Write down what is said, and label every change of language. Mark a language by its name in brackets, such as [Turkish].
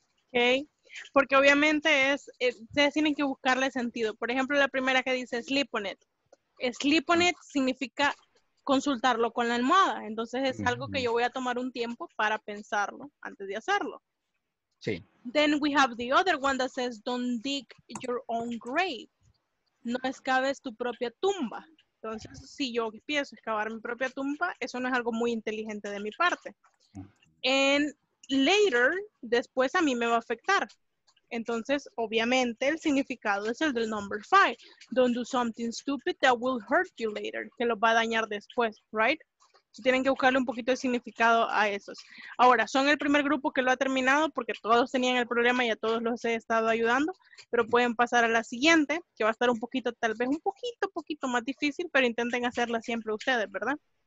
[Spanish] Ok, porque obviamente ustedes tienen que buscarle sentido. Por ejemplo, la primera que dice sleep on it. Sleep on it significa consultarlo con la almohada. Entonces es algo que yo voy a tomar un tiempo para pensarlo antes de hacerlo. Sí. [English] Then we have the other one that says don't dig your own grave. [Spanish] No excaves tu propia tumba. Entonces, si yo pienso excavar mi propia tumba, eso no es algo muy inteligente de mi parte. [English] And later, [Spanish] después a mí me va a afectar. Entonces, obviamente, el significado es el del number 5. [English] Don't do something stupid that will hurt you later. [Spanish] Que lo va a dañar después, right? So, tienen que buscarle un poquito de significado a esos. Ahora, son el primer grupo que lo ha terminado porque todos tenían el problema y a todos los he estado ayudando, pero pueden pasar a la siguiente, que va a estar un poquito, tal vez un poquito más difícil, pero intenten hacerla siempre ustedes, ¿verdad?